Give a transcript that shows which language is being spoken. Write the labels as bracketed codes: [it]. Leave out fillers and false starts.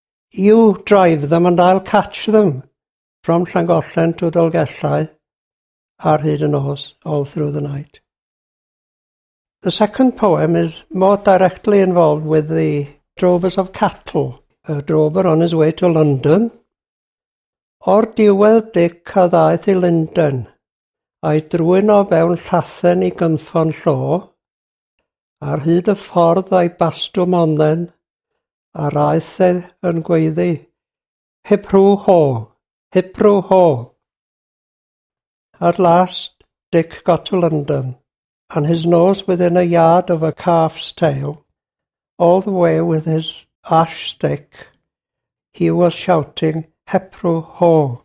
[en] You drive them and I'll catch them from Llangollen to Dolgellau [cy] ar hyd y nos, [en] all through the night. The second poem is more directly involved with the drovers of cattle, a drover on his way to London. [cy] O'r diwedd dic a ddaeth i Lundain, a'i drwyn o fewn llathen i gynffon llo, ar hyd y ffordd a'i bastwm onnen, a raeth e yn gweiddi, hiprw ho, hiprw ho. [en] At last, Dick got to London, and his nose within a yard of a calf's tail, all the way with his ash stick, he was shouting, Hepru ho,